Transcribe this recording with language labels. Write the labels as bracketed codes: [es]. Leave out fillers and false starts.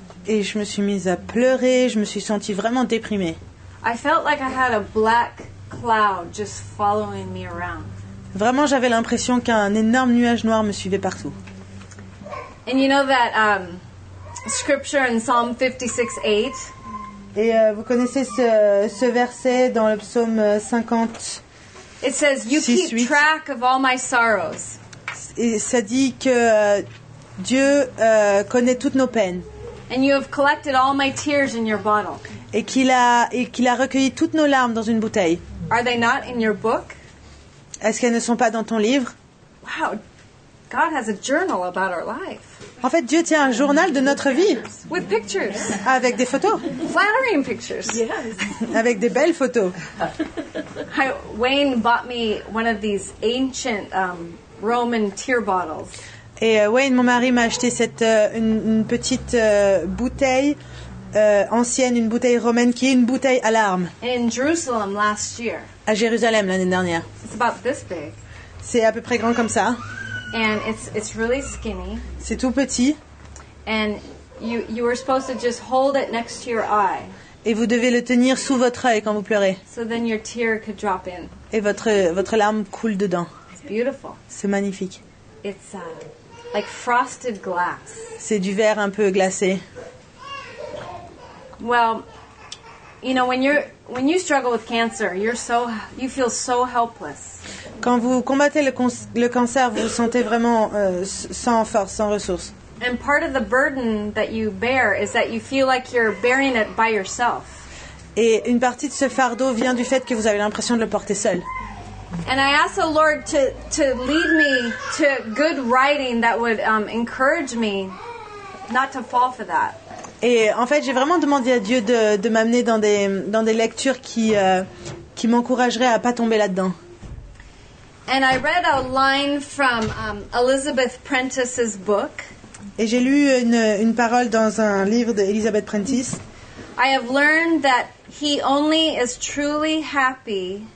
[fr] Et je me suis mise à pleurer, je me suis sentie vraiment déprimée. [en] I felt like I had a black cloud just following me around. [fr] Vraiment, j'avais l'impression qu'un énorme nuage noir me suivait partout. [en] And you know that scripture in Psalm 56:8? [fr] Et vous connaissez ce verset dans le psaume 50. [en] It says you 6, keep track of all my sorrows. [fr] Et ça dit que Dieu connaît toutes nos peines. [en] And you have collected all my tears in your bottle. [fr] Et qu'il a recueilli toutes nos larmes dans une bouteille. [en] Are they not in your book? [fr] Est-ce qu'elles ne sont pas dans ton livre? [en] Wow, God has a journal about our life. [fr] En fait, Dieu tient un journal de notre vie. [en] With pictures. [fr] Avec des photos. [en] Flattering pictures. Yes. [fr] Avec des belles photos. [en] Wayne bought me one of these ancient Roman tear bottles. [fr] Et Wayne, mon mari, m'a acheté une petite bouteille ancienne, une bouteille romaine, qui est une bouteille à larmes. [en] In Jerusalem last year. [fr] À Jérusalem l'année dernière. [en] It's about this big. [fr] C'est à peu près grand comme ça. [en] And it's really skinny. [fr] C'est tout petit. [en] And you were supposed to just hold it next to your eye. [fr] Et vous devez le tenir sous votre œil quand vous pleurez. [en] So then your tear could drop in. [fr] Et votre larme coule dedans. [en] It's beautiful. [fr] C'est magnifique. [en] It's like frosted glass. [fr] C'est du verre un peu glacé. [en] Well, you know, when you struggle with cancer, you feel so helpless. [fr] Quand vous combattez le cancer, vous vous sentez vraiment sans force, sans ressources. [en] And part of the burden that you bear is that you feel like you're bearing it by yourself. [fr] Et une partie de ce fardeau vient du fait que vous avez l'impression de le porter seul. [en] And I asked the Lord to lead me to good writing that would encourage me not to fall for that. [fr] Et en fait, j'ai vraiment demandé à Dieu de m'amener dans des lectures qui m'encourageraient à pas tomber là-dedans. [en] And I read a line from Elizabeth Prentice's book. [fr] Et j'ai lu une parole dans un livre d'Elizabeth Prentice. [en] I have learned that he only is truly happy.